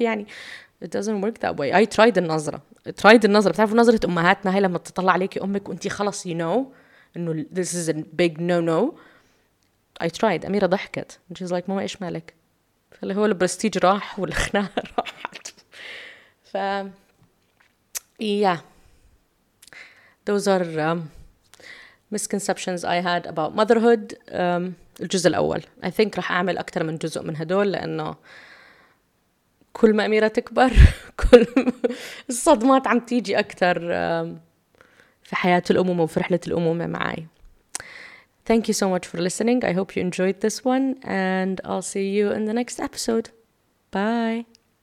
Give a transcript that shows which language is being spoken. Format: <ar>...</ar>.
<en>يعني it doesn't work that way. I tried</en> <ar>النظرة. بتعرفوا نظرة أمهاتنا هاي لما تطلع عليكي أمك وأنت خلص</ar> <en>you know</en> <ar>إنه</ar> <en>this is a big no. I tried.</en> <ar>أميرة ضحكت</ar> <en>and she's like</en> <ar>ماما إيش مالك، فاللي هو البرستيج راح والخناقة راحت.</ar> <en>ف yeah those are misconceptions I had about motherhood.</en> <ar>الجزء الأول</ar> <en>I think</en> <ar>رح أعمل أكتر من جزء من هدول، لأنه كل ما أميرة تكبر كل الصدمات عم تيجي أكتر في حياة الأمومة وفي رحلة الأمومة معي.</ar> <en>Thank you so much for listening. I hope you enjoyed this one and I'll see you in the next episode. Bye.</en>